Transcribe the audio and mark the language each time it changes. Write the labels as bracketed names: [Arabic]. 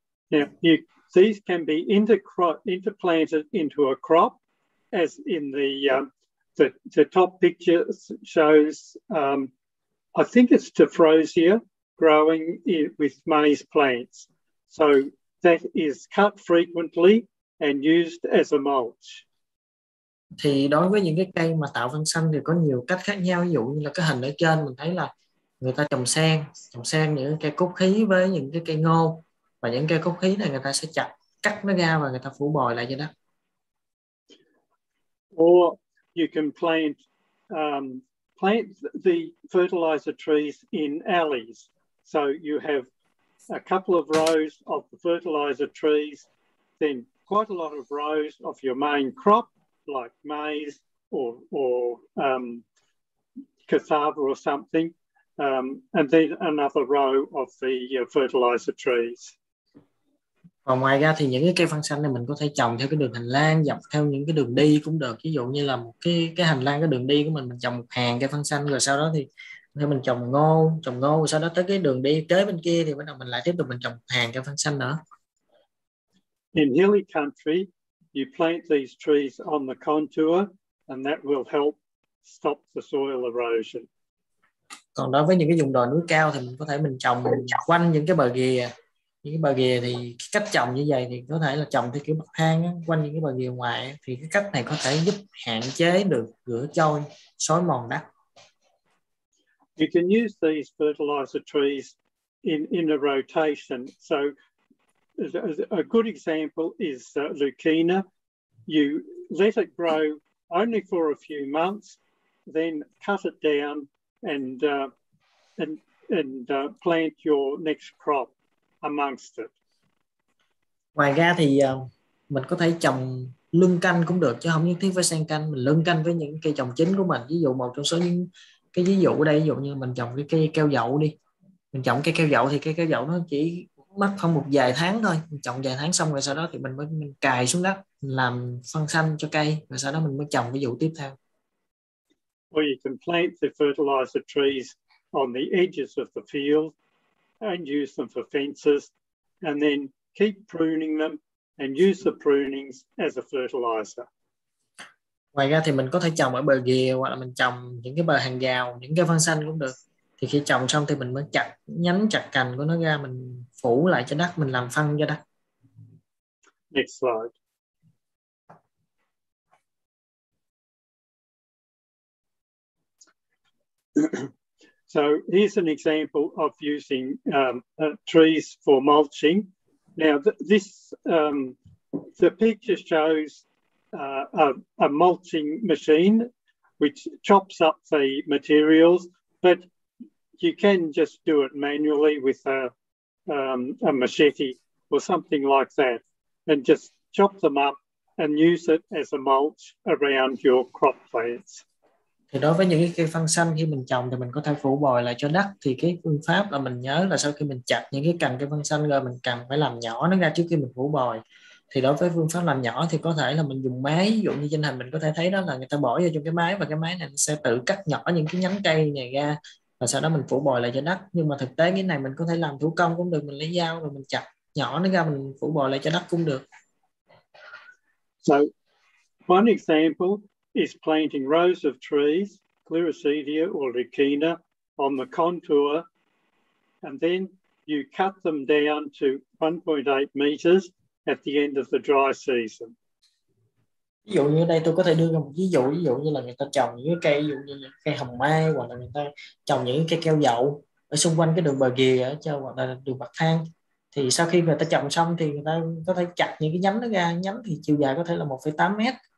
[English] Now, these can be interplanted into a crop, as in the top picture shows. I think it's Dafrosia growing with maize plants. So that is cut frequently and used as a mulch. [Vietnamese] Thì đối với những cái cây mà tạo phân xanh thì có nhiều cách khác nhau. Ví dụ như là cái hình ở trên mình thấy là người ta trồng sen những cây cốt khí với những cái cây ngô. Và những cây cốt khí này người ta sẽ chặt, cắt nó ra và người ta phủ bồi lại cho đất. [English] Or you can plant plant the fertilizer trees in alleys. So you have a couple of rows of the fertilizer trees, then quite a lot of rows of your main crop, like maize or cassava or something, and then another row of the fertilizer trees. [Vietnamese] Và ngoài ra thì những cái cây phân xanh này mình có thể trồng theo cái đường hành lang, dọc theo những cái đường đi cũng được. Ví dụ như là một cái hành lang, cái đường đi của mình trồng một hàng cây phân xanh, rồi sau đó thì mình trồng ngô, sau đó tới cái đường đi kế bên kia thì bắt đầu mình lại tiếp tục mình trồng hàng cây phân xanh nữa. [English] In hilly country, you plant these trees on the contour and that will help stop the soil erosion. [Vietnamese] Còn đối với những cái vùng đồi núi cao thì mình có thể mình trồng quanh những cái bờ ghìa. Những cái bờ ghìa thì cách trồng như vậy thì có thể là trồng theo kiểu bậc thang á, quanh những cái bờ ghìa ngoài á, thì cái cách này có thể giúp hạn chế được rửa trôi, xói mòn đất. [English] You can use these fertilizer trees in a rotation. So a good example is Leucaena. You let it grow only for a few months, then cut it down and plant your next crop amongst it. [Vietnamese] Ngoài ra thì mình có thể trồng lưng canh cũng được chứ không nhất thiết phải sen canh, mình lưng canh với những cây trồng chính của mình. Ví dụ một trong số những cái ví dụ ở đây, ví dụ như mình trồng cái cây keo dậu đi. Mình trồng cây keo dậu thì cây keo dậu nó chỉ mất khoảng một vài tháng thôi, mình trồng vài tháng xong rồi sau đó thì mình mới mình cài xuống đất làm phân xanh cho cây và sau đó mình mới trồng cái vụ tiếp theo. [English] Well, you can plant the fertilizer trees on the edges of the field and use them for fences and then keep pruning them and use the prunings as a fertilizer. [Vietnamese] Ngoài ra thì mình có thể trồng ở bờ ghìa hoặc là mình trồng những cái bờ hàng rào, những cái phân xanh cũng được. Thì khi trồng xong thì mình mới chặt nhánh, chặt cành của nó ra, mình phủ lại cho đất, mình làm phân cho đất. [English] Next slide. So here's an example of using trees for mulching. Now this the picture shows a mulching machine which chops up the materials, but you can just do it manually with a machete or something like that and just chop them up and use it as a mulch around your crop plants. [Vietnamese] Thì đối với những cái cây phân xanh khi mình trồng thì mình có thể phủ bồi lại cho đất. Thì cái phương pháp là mình nhớ là sau khi mình chặt những cái cành cây phân xanh rồi, mình cần phải làm nhỏ nó ra trước khi mình phủ bồi. Thì đối với phương pháp làm nhỏ thì có thể là mình dùng máy, ví dụ như trên hình mình có thể thấy đó, là người ta bỏ vô trong cái máy và cái máy này nó sẽ tự cắt nhỏ những cái nhánh cây này ra và sau đó mình phủ bồi lại cho đất. Nhưng mà thực tế cái này mình có thể làm thủ công cũng được, mình lấy dao rồi mình chặt nhỏ nó ra mình phủ bồi lại cho đất cũng được. [English] So one example is planting rows of trees, Clerocedia or Lucina, on the contour, and then you cut them down to 1.8 meters at the end of the dry season. [Vietnamese] Ví dụ như đây tôi có thể đưa ra một ví dụ như là người ta trồng những cây, ví dụ như cây hồng mai, hoặc là người ta trồng những cây keo dậu ở xung quanh cái đường bờ ghìa ở châu, hoặc là đường bậc thang. Thì sau khi người ta trồng xong thì người ta có thể chặt những cái nhánh nó ra, nhánh thì chiều dài có thể là 1,8 mét.